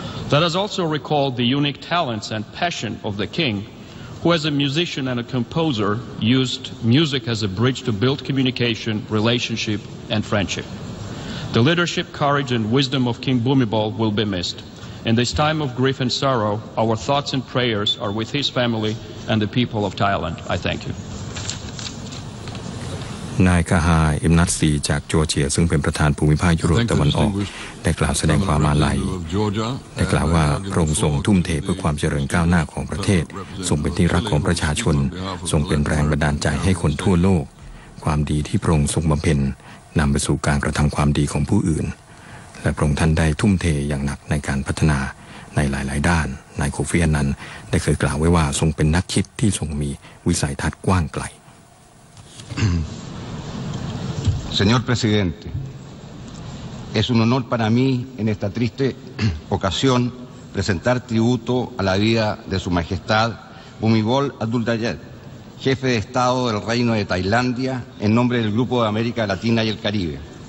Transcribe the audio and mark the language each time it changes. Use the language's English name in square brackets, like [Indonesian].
[English] Let us also recall the unique talents and passion of the King, who as a musician and a composer used music as a bridge to build communication, relationship and friendship. The leadership, courage, and wisdom of King Bhumibol will be missed. In this time of grief and sorrow, our thoughts and prayers are with his family and the people of Thailand. I thank you. [Thai] นายคาฮาอิมนัตซีจากจอร์เจียซึ่งเป็นประธานภูมิภาคยุโรปตะวันออกได้กล่าวแสดงความอาลัยได้กล่าวว่าพระองค์ทรงทุ่มเทเพื่อความเจริญก้าวหน้าของประเทศทรงเป็นที่รักของประชาชนทรงเป็นแรงบันดาลใจให้คนทั่วโลกความดีที่พระองค์ทรงบำเพ็ญนำไปสู่การกระทำความดีของผู้อื่นและพระองค์ท่านได้ทุ่มเทอย่างหนักในการพัฒนาในหลายๆด้านนายโคฟีอันนันได้เคยกล่าวไว้ว่าทรงเป็นนักคิดที่ทรงมีวิสัยทัศน์กว้างไกล [Spanish] Señor Presidente Es un honor para mí en esta triste ocasión presentar tributo a la vida de su majestad Bhumibol Adulyadej Jefe de Estado del Reino de Tailandia en nombre del Grupo de América Latina y el Caribe.